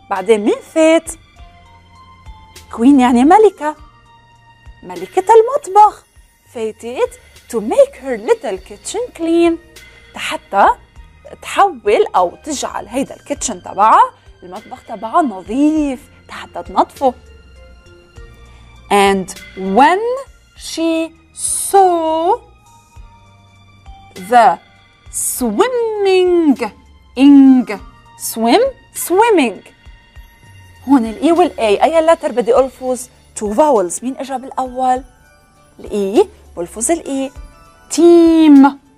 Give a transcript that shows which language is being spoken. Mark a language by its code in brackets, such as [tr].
[ar] بعدين مين فات؟ queen يعني ملكة. ملكة المطبخ. فاتت [en] to make her little kitchen clean. [ar] حتى تحول أو تجعل هيدا الكيتشن تبعها المطبخ تبعها نظيف. حتى تنظفه. [en] And when she saw the swimming ing swim swimming. [ar] هون الـ E والـ A أي اللاتر بدي ألفظ two vowels. مين إجاب الأول؟ الـ E بلفظ الـ E team.